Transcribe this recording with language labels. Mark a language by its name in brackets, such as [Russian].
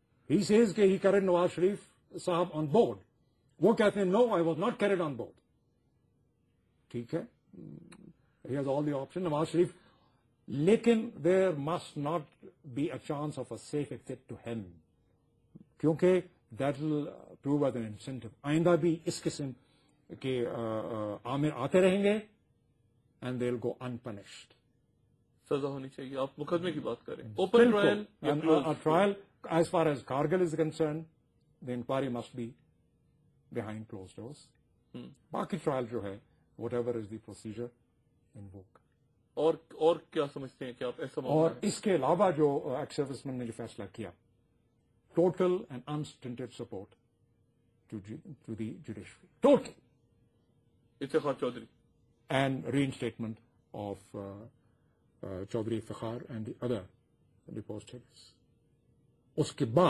[English] he says کہ he carried Nawaz Sharif صاحب on board [Urdu] وہ کہتے ہیں [English] no I was not carried on board [Urdu] ٹھیک ہے [English] he has all the option Nawaz Sharif لیکن there must not be a chance of a safe exit to him [Urdu] کیونکہ [English] that will prove as an incentive [Urdu] آئندہ بھی اس قسم کے عامر آتے رہیں گے [English] and they will go unpunished [Urdu] سزا ہونی چاہیے آپ مقدمے کی بات کریں open trial [English] trial as far as Kargil is concern the inquiry must be behind close doors [Urdu] باقی ٹرائل جو ہے [English] whatever is the procedure in book [Urdu] اور کیا سمجھتے ہیں کہ آپ ایسا اور اس کے علاوہ جو ایکس سروس مین نے جو فیصلہ کیا [English] total and unstinted support to the judiciary total [Urdu] Iftikhar Chaudhry [English] and reinstatement of Chaudhry Iftikhar and the other depositors [Urdu] اس کے بعد